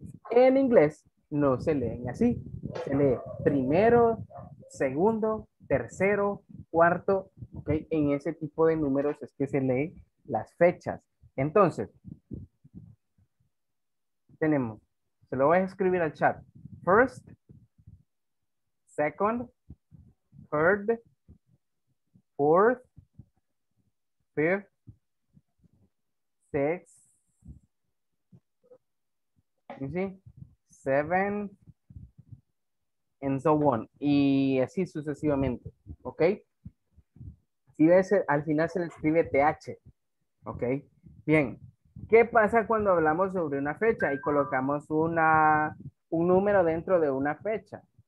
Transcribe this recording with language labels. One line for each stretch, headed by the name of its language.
Spanish: En inglés no se leen así. Se lee primero, segundo, tercero, cuarto, ok. En ese tipo de números es que se lee las fechas. Entonces, tenemos, se lo voy a escribir al chat.
English: First, second, third, fourth, fifth, sixth, you see, seventh, and so on.
Spanish: Y así sucesivamente, ¿ok? Si ves, al final se le escribe TH, ¿ok? Bien. ¿Qué pasa cuando hablamos sobre una fecha y colocamos un número dentro de una fecha?